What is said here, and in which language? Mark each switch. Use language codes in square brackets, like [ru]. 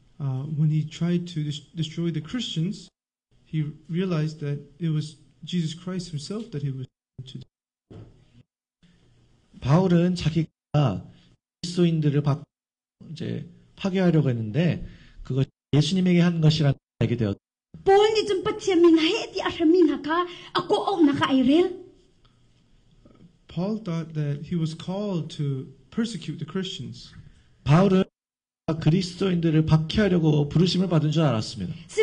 [en] When he tried to destroy the Christians, he realized that it was Jesus Christ himself that he was trying to destroy. [ko] 바울은 자기가 그리스도인들을 이제 파괴하려고 했는데 그것이 예수님에게 한 것이라는 걸 알게 되었습니다. [en] Paul thought that he was called to persecute the Christians. [ko] 바울은 그리스도인들을 박해하려고 부르심을 받은 줄 알았습니다.